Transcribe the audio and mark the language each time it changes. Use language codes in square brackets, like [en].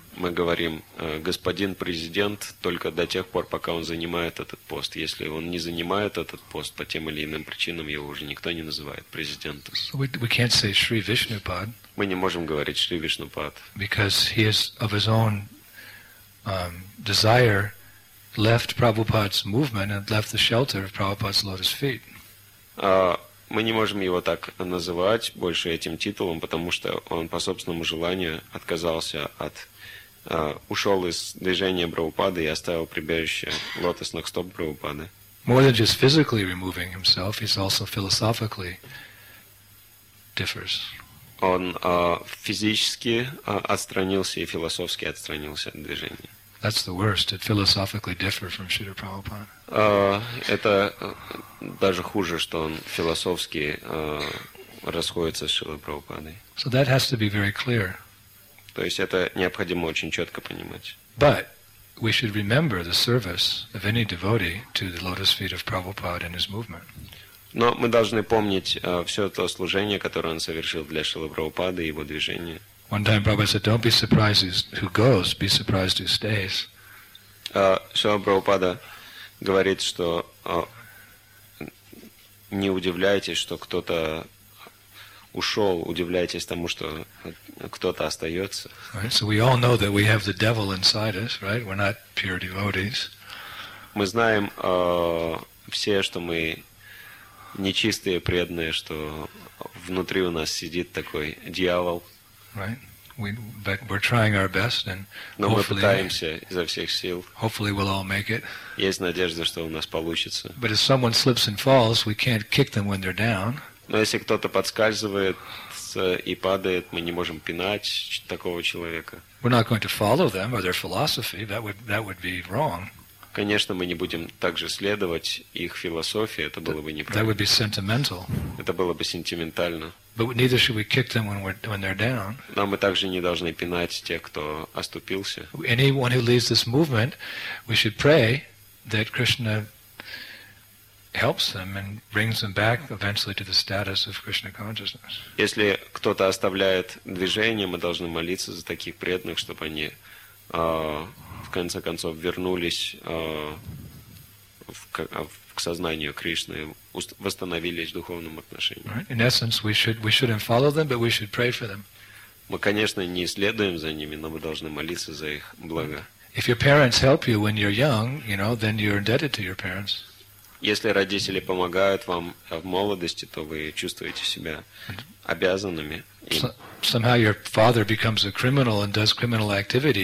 [ru] Мы говорим господин президент только до тех пор, пока он занимает этот пост. Если он не занимает этот пост, по тем или иным причинам, его уже никто не называет президентом. [en] We can't say Shri Vishnupad. [ru] Мы не можем говорить Шри Вишнупад. [en] Because he has of his own desire left Prabhupada's movement and left the shelter of Prabhupada's lotus feet. [ru] Мы не можем его так называть больше этим титулом, потому что он по собственному желанию отказался от ушел из движения Прабхупады и оставил прибежище лотосных стоп Прабхупады. [en] More than just physically removing himself, he's also philosophically differs. [ru] Он физически отстранился и философски отстранился от движения. [en] That's the worst, it philosophically differ from Śrīla Prabhupāda. [ru] Это даже хуже, что он философски расходится с Śrīla Prabhupādai. [en] So that has to be very clear. [ru] То есть это необходимо очень четко понимать. [en] But we should remember the service of any devotee to the lotus feet of Prabhupāda and his movement. [ru] Но мы должны помнить все то служение, которое он совершил для Śrīla Prabhupāda и его движения. [en] One time Prabhupada said, don't be surprised who goes, be surprised who stays. [ru] Śrīla Prabhupāda говорит, что не удивляйтесь, что кто-то ушел, удивляйтесь тому, что кто-то остается. [en] Right, so we all know that we have the devil inside us, right? We're not pure devotees. [ru] Мы знаем все, что мы нечистые преданные, что внутри у нас сидит такой дьявол. [en] Right. But we're trying our best, and [ru] но мы пытаемся изо всех сил. [en] Hopefully we'll all make it. [ru] Есть надежда, что у нас получится. [en] But if someone slips and falls, we can't kick them when they're down. [ru] Но если кто-то подскальзывает и падает, мы не можем пинать такого человека. [en] We're not going to follow them or their philosophy. That would be wrong. [ru] Конечно, мы не будем также следовать их философии. Это было бы неправильно. [en] That would be sentimental. [ru] Это было бы сентиментально. [en] But neither should we kick them when they're down. [ru] Но мы также не должны пинать тех, кто оступился. [en] Anyone who leads this movement, we should pray that Krishna helps them and brings them back eventually to the status of Krishna consciousness. [ru] Если кто-то оставляет движение, мы должны молиться за таких преданных, чтобы они в конце концов вернулись к сознанию Кришны, восстановились в духовном отношении. [en] Right. In essence, we shouldn't follow them, but we should pray for them. [ru] Мы, конечно, не следуем за ними, но мы должны молиться за их благо. [en] If your parents help you when you're young, you know, then you're indebted to your parents. [ru] Если родители помогают вам в молодости, то вы чувствуете себя обязанными. [en] Somehow your father becomes a criminal and does criminal activity.